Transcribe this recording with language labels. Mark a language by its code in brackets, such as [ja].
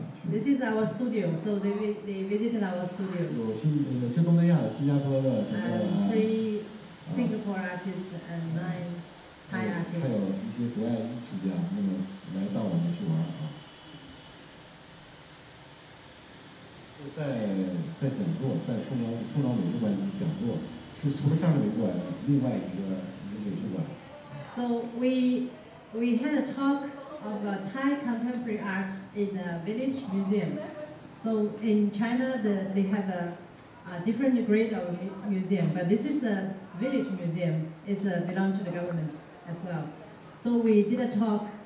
[en] This is our studio, so they visited our studio. [zh] 有西，这东南亚、新加坡的。 [en] Three Singapore artists and nine Thai artists. [zh] 还有一些国外艺术家，那么来到我们去玩啊。在。在讲座，在宋庄美术馆讲座，是除了上海美术馆的另外一个美术馆。 [en] So we had a talk of a Thai contemporary art in a village museum. So in China, they have a different grade of museum, but this is a village museum. It's belong to the government as well. So we did a talk.